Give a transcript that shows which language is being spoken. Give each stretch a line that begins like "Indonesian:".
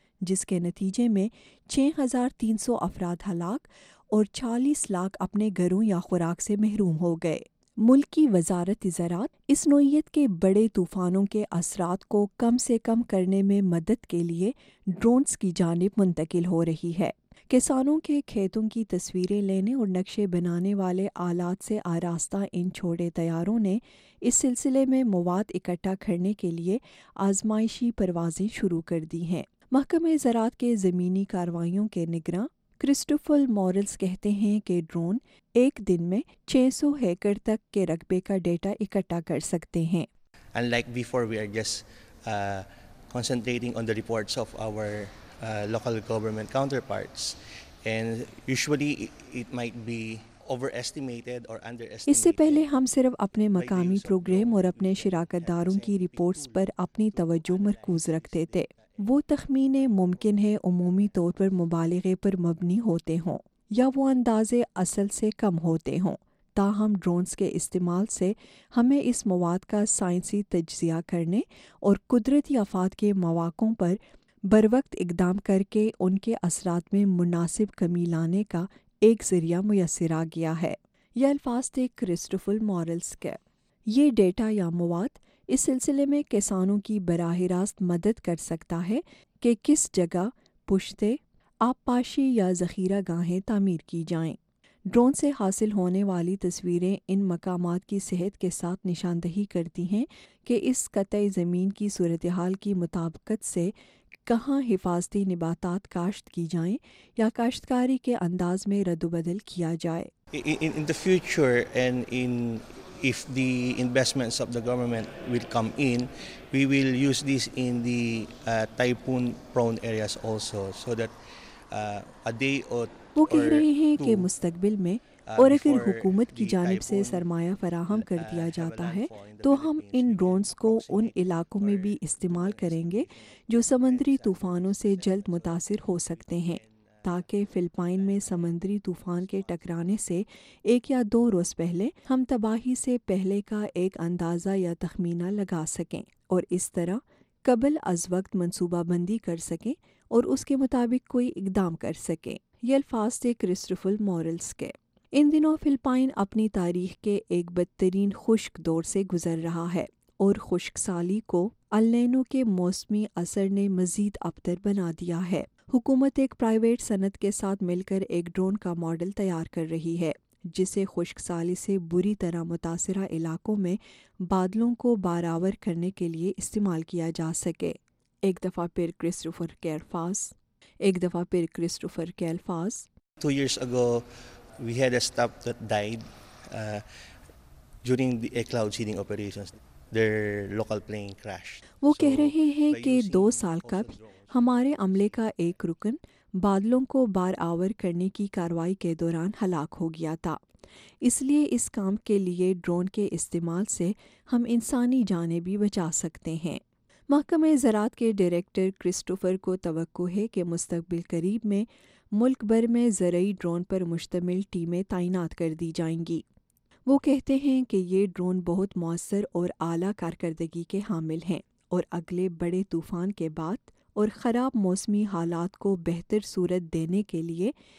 Urdu: جس کے نتیجے میں 6,300 افراد ہلاک اور 40,00,000 اپنے گھروں یا خوراک سے محروم ہو گئے۔ ملکی وزارت زراعت اس نوعیت کے بڑے طوفانوں کے اثرات کو کم سے کم کرنے میں مدد کے لیے ڈرونز کی جانب منتقل ہو رہی ہے۔ کسانوں کے کھیتوں کی تصویریں لینے اور نقشے بنانے والے آلات سے آراستہ ان چھوٹے طیاروں نے اس سلسلے میں مواد اکٹھا کرنے کے لیے آزمائشی پروازیں شروع کر دی ہیں۔ محکمہ زراعت کے زمینی کاروائیوں کے نگراں کرسٹوفر مورلز کہتے ہیں کہ ڈرون ایک دن میں 600 ہیکڑ تک کے رقبے کا ڈیٹا اکٹھا کر سکتے ہیں۔
English: And like before, we are just concentrating on the reports of our local government counterparts. And usually it might be overestimated or underestimated.
Urdu: اس سے پہلے ہم صرف اپنے مقامی پروگرام اور اپنے شراکت داروں کی رپورٹس پر اپنی توجہ مرکوز رکھتے تھے۔ وہ تخمینیں ممکن ہے عمومی طور پر مبالغے پر مبنی ہوتے ہوں یا وہ اندازے اصل سے کم ہوتے ہوں۔ تاہم ڈرونز کے استعمال سے ہمیں اس مواد کا سائنسی تجزیہ کرنے اور قدرتی آفات کے مواقع پر بروقت اقدام کر کے ان کے اثرات میں مناسب کمی لانے کا ایک ذریعہ میسر آ گیا ہے۔ یہ الفاظ تھے کرسٹوفر مورلز کے۔ یہ ڈیٹا یا مواد اس سلسلے میں کسانوں کی براہ راست مدد کر سکتا ہے کہ کس جگہ پشتے، آبپاشی یا ذخیرہ گاہیں تعمیر کی جائیں۔ ڈرون سے حاصل ہونے والی تصویریں ان مقامات کی صحت کے ساتھ نشاندہی کرتی ہیں کہ اس قطع زمین کی صورتحال کی مطابقت سے کہاں حفاظتی نباتات کاشت کی جائیں یا کاشتکاری کے انداز میں رد و بدل کیا جائے۔
English: In the future and if the investments of the government will come in, we will use this in the typhoon prone areas also, so that a day or two.
Urdu: وہ کہہ رہے ہیں کہ مستقبل میں اور اگر حکومت کی جانب سے سرمایہ فراہم کر دیا جاتا ہے تو ہم ان ڈرونز کو ان علاقوں میں بھی استعمال کریں گے جو سمندری طوفانوں سے جلد متاثر ہو سکتے ہیں، تاکہ فلپائن میں سمندری طوفان کے ٹکرانے سے ایک یا دو روز پہلے ہم تباہی سے پہلے کا ایک اندازہ یا تخمینہ لگا سکیں اور اس طرح قبل از وقت منصوبہ بندی کر سکیں اور اس کے مطابق کوئی اقدام کر سکیں۔ یہ الفاظ تھے کرسٹوفر مورلز کے۔ ان دنوں فلپائن اپنی تاریخ کے ایک بدترین خشک دور سے گزر رہا ہے اور خشک سالی کو النینو کے موسمی اثر نے مزید ابتر بنا دیا ہے۔ حکومت ایک پرائیویٹ صنعت کے ساتھ مل کر ایک ڈرون کا ماڈل تیار کر رہی ہے جسے خشک سالی سے بری طرح متاثرہ علاقوں میں بادلوں کو باراور کرنے کے لیے استعمال کیا جا سکے۔ ایک دفعہ پھر کرسٹوفر کے الفاظ۔
English: 2 years ago we had a staff that died during the cloud seeding operations. Their local plane crashed.
Urdu: وہ کہہ رہے ہیں کہ 2 سال قبل ہمارے عملے کا ایک رکن بادلوں کو بار آور کرنے کی کاروائی کے دوران ہلاک ہو گیا تھا، اس لیے اس کام کے لیے ڈرون کے استعمال سے ہم انسانی جانیں بھی بچا سکتے ہیں۔ محکمہ زراعت کے ڈائریکٹر کرسٹوفر کو توقع ہے کہ مستقبل قریب میں ملک بھر میں زرعی ڈرون پر مشتمل ٹیمیں تعینات کر دی جائیں گی۔ وہ کہتے ہیں کہ یہ ڈرون بہت مؤثر اور اعلیٰ کارکردگی کے حامل ہیں اور اگلے بڑے طوفان کے بعد اور خراب موسمی حالات کو بہتر صورت دینے کے لیے